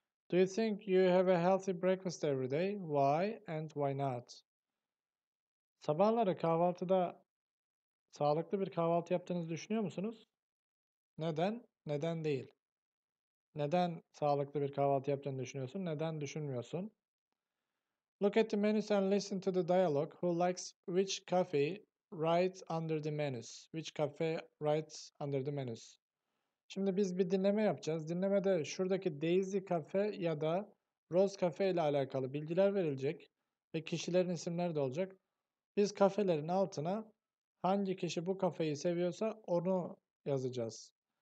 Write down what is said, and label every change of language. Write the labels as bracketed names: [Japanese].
[English] Do you think you have a healthy breakfast every day? Why and why not? [Turkish] Sabahları kahvaltıda sağlıklı bir kahvaltı yaptığınızı düşünüyor musunuz? Neden? Neden değil? Neden sağlıklı bir kahvaltı yaptığını düşünüyorsun? Neden düşünmüyorsun? [English] Look at the menus and listen to the dialogue. Who likes which cafe right under the menus? Which cafe right under the menus? [Turkish] Şimdi biz bir dinleme yapacağız. Dinlemede şuradaki Daisy Cafe ya da Rose Cafe ile alakalı bilgiler verilecek ve kişilerin isimleri de olacak. Biz kafelerin altına hangi kişi bu kafeyi seviyorsa onu yazacağız.